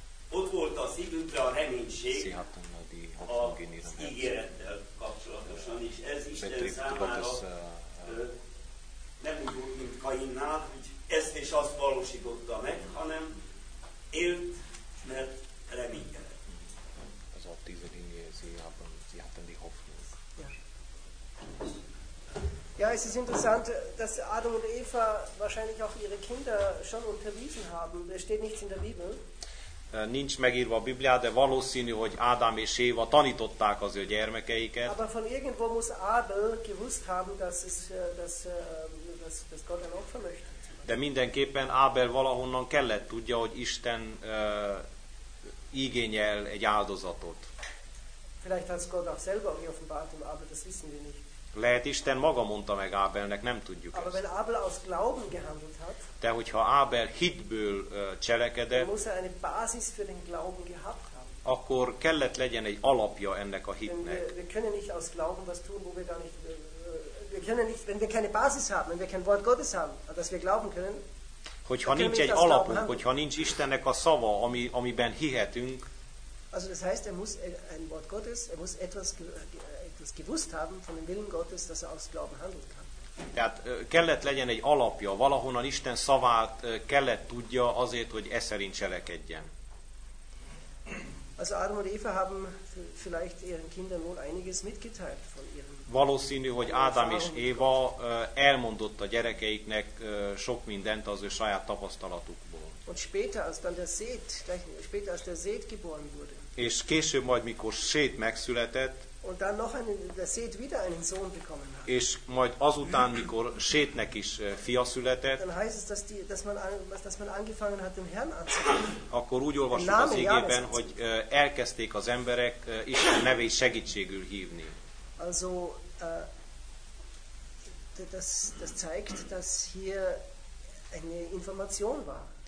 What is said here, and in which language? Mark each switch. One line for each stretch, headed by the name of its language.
Hungarian: Ott volt a szívünkre a reménység az ígérettel kapcsolatosan, és ez Isten számára nem úgy volt, mint Kainnál, hogy ezt és azt valósította meg, hanem élt, mert reménykedett. Az a tízelinje,
German: sie hatten die Hoffnung. Ja, es ist interessant, dass Adam und Eva wahrscheinlich auch ihre Kinder schon unterwiesen haben. Es steht nichts in der Bibel.
Hungarian: Nincs megírva a Bibliá, de valószínű, hogy Ádám és Éva tanították az ő gyermekeiket.
German: Aber von irgendwo muss Abel gewusst haben, dass Gott ein Opfer möchte.
Hungarian: De mindenképpen Ábel valahonnan kellett tudja, hogy Isten igényel egy áldozatot.
German: Vielleicht hat Gott auch selber irgendwie offenbart dem Abel, das wissen wir nicht.
Hungarian: Lehet Isten maga mondta meg Ábelnek, nem tudjuk
German: aber
Hungarian: ezt.
German: Abel aus Glauben gehandelt hat,
Hungarian: de hogyha Ábel hitből cselekedett,
German: muss er eine Basis für den Glauben gehabt haben.
Hungarian: Akkor kellett legyen egy alapja ennek a hitnek.
German: Wir können nicht aus Glauben was tun, wo wir gar nicht, wir können nicht, wenn wir keine Basis haben, wenn wir kein Wort Gottes haben, dass wir glauben können.
Hungarian: Hogyha nincs egy alapunk, hogyha nincs Istennek a szava, amiben hihetünk.
German: Also das heißt, er muss ein Wort Gottes, er muss etwas gewusst haben von dem Willen Gottes, dass er aus Glauben handeln kann.
Hungarian: Tehát kellett legyen egy alapja, valahonnan Isten szavát kellett tudja azért, hogy e szerint cselekedjen.
German: Also Adam und Eva haben vielleicht ihren Kindern wohl einiges mitgeteilt von ihrem.
Hungarian: Valószínű, hogy Ádám és Éva elmondott a gyerekeiknek sok mindent az ő saját tapasztalatukból.
German: Und später, als dann der Seth, gleich später, als der Seth geboren wurde.
Hungarian: És később majd, mikor Seth megszületett.
German: Und dann noch einen, der Seth wieder einen Sohn bekommen hat.
Hungarian: És majd azután, mikor Sethnek is fia született.
German: Dann heißt es, dass man angefangen hat, dem Herrn anzuhören.
Hungarian: Akkor úgy olvasjuk az igében, hogy elkezdték az emberek Isten nevét segítségül hívni.
German: Also, das zeigt, dass hier eine Information war.